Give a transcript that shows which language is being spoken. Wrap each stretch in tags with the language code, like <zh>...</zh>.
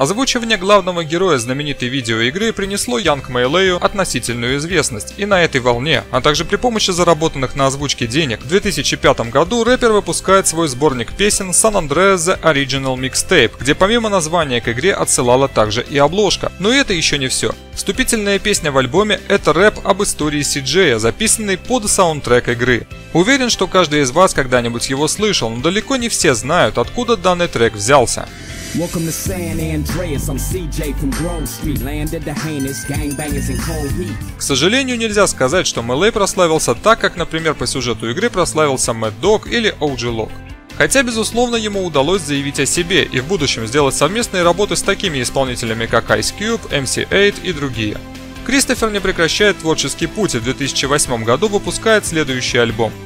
<ru>Озвучивание главного героя знаменитой видеоигры принесло Янг Мэйлэю относительную известность, и на этой волне, а также при помощи заработанных на озвучке денег, в 2005 году рэпер выпускает свой сборник песен San Andreas The Original Mixtape, где помимо названия к игре отсылала также и обложка. Но это еще не все. Вступительная песня в альбоме – это рэп об истории СиДжея, записанный под саундтрек игры. Уверен, что каждый из вас когда-нибудь его слышал, но далеко не все знают, откуда данный трек взялся.</ru> <en>Welcome to San Andreas, I'm CJ from Grove Street, landed the heinous gangbangers in cold heat.</en> <ru>К сожалению, нельзя сказать, что Мэйлэй прославился так, как, например, по сюжету игры прославился Mad Dog или OG Loke. Хотя, безусловно, ему удалось заявить о себе и в будущем сделать совместные работы с такими исполнителями, как Ice Cube, MC8 и другие. Кристофер не прекращает творческий путь и в 2008 году выпускает следующий альбом.</ru>